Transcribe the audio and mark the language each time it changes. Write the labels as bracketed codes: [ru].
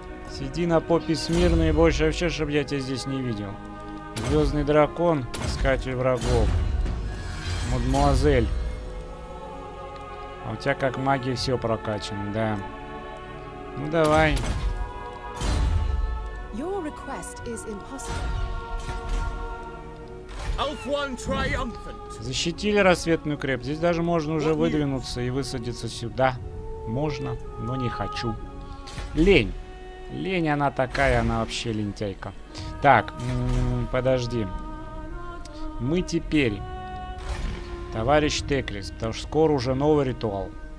[ru] Сиди на попе смирно и больше вообще, чтобы я тебя здесь не видел. Звездный дракон, искатель врагов. Мадмуазель. А у тебя как магия все прокачано, да. Ну давай. [en] Your request is impossible. Elf One triumphant. [ru] Защитили рассветную крепость. Здесь даже можно уже выдвинуться и высадиться сюда. Можно, но не хочу. Лень. Лень, она такая, она вообще лентяйка. Так, подожди. Мы теперь, товарищ Теклис, потому что скоро уже новый ритуал.